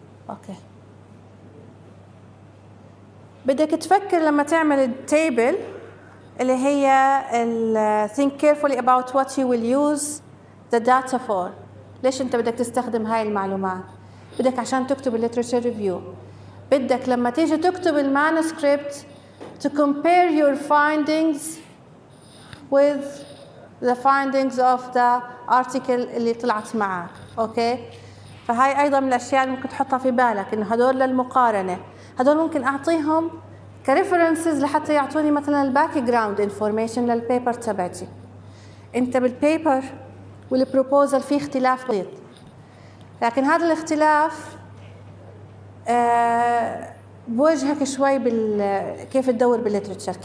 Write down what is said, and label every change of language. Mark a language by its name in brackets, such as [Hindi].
[Arabic] اوكي بدك تفكر لما تعمل التيبل اللي هي [English] think carefully about what you will use the data for. [Arabic] ليش انت بدك تستخدم هاي المعلومات؟ بدك عشان تكتب literature review، بدك لما تيجي تكتب المانوسكريبت [English] to compare your findings with the findings of the article [Arabic] اللي طلعت معه. [English] Okay. [Arabic] فهاي أيضا من الأشياء اللي ممكن تحطها في بالك إنه هدول للمقارنة. هدول ممكن أعطيهم كreferences لحتى يعطوني مثلا الباكجراوند انفورميشن للبيبر تبعتي. أنت بالبيبر والبروبوزل فيه اختلاف بسيط، لكن هذا الاختلاف بوجهك شوي كيف تدور بالليترتشر.